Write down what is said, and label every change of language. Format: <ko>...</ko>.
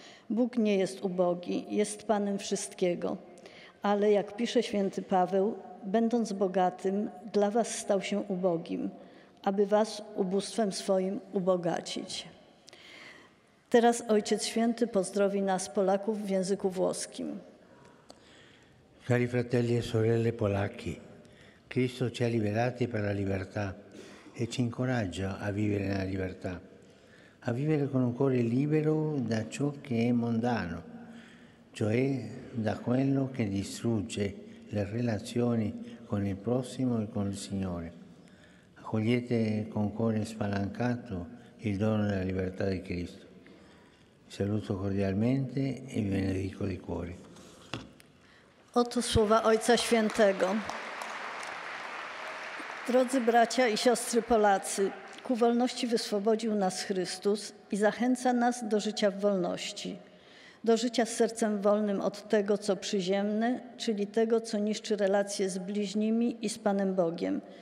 <pl>Bóg nie jest ubogi, jest Panem wszystkiego. Ale jak pisze święty Paweł, będąc bogatym, dla was stał się ubogim, aby was ubóstwem swoim ubogacić. Teraz Ojciec Święty pozdrowi nas, Polaków, w języku włoskim.</pl> <it>Cari fratelli e sorelle polacchi, Cristo ci ha liberati per la libertà e ci incoraggia a vivere nella libertà. A vivere con un cuore libero da ciò che è mondano, cioè da quello che distrugge le relazioni con il prossimo e con il Signore. Accogliete con cuore spalancato il dono della libertà di Cristo. Vi saluto cordialmente e vi benedico di cuore.</it> <pl>Oto słowa Ojca Świętego. Drodzy bracia i siostry Polacy, ku wolności wyswobodził nas Chrystus i zachęca nas do życia w wolności. Do życia z sercem wolnym od tego, co przyziemne, czyli tego, co niszczy relacje z bliźnimi i z Panem Bogiem.</pl>